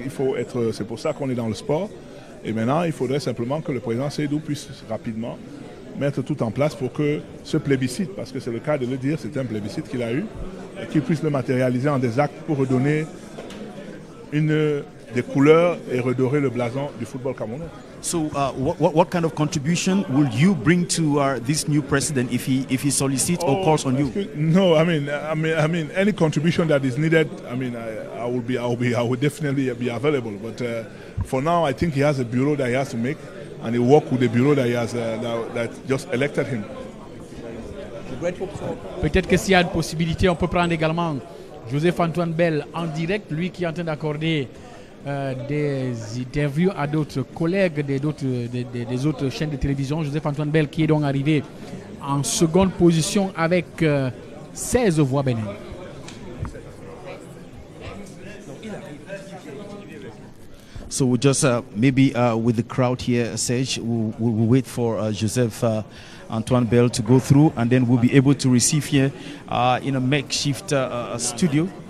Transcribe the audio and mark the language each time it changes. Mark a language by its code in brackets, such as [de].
[fr] Il faut être, c'est pour ça qu'on est dans le sport. Et maintenant, il faudrait simplement que le président Seydou puisse rapidement mettre tout en place pour que ce plébiscite, parce que c'est le cas de le dire, c'est un plébiscite qu'il a eu, et qu'il puisse le matérialiser en des actes pour redonner des couleurs et redorer le blason du football camerounais. [en] So what kind of contribution will you bring to this new president if he solicits or calls on you? No, I mean any contribution that is needed, I would definitely be available, but for now I think he has a bureau that he has to make. And he worked with the bureau that he has that just elected him. [fr] Peut-être que s'il y a une possibilité, on peut prendre également Joseph Antoine Bell en direct, lui qui est en train d'accorder des interviews à d'autres collègues des autres chaînes de télévision. Joseph Antoine Bell qui est donc arrivé en seconde position avec 16 voix Bénin. [en] So we just with the crowd here, Serge, we'll wait for Joseph Antoine Bell to go through, and then we'll be able to receive here in a makeshift studio.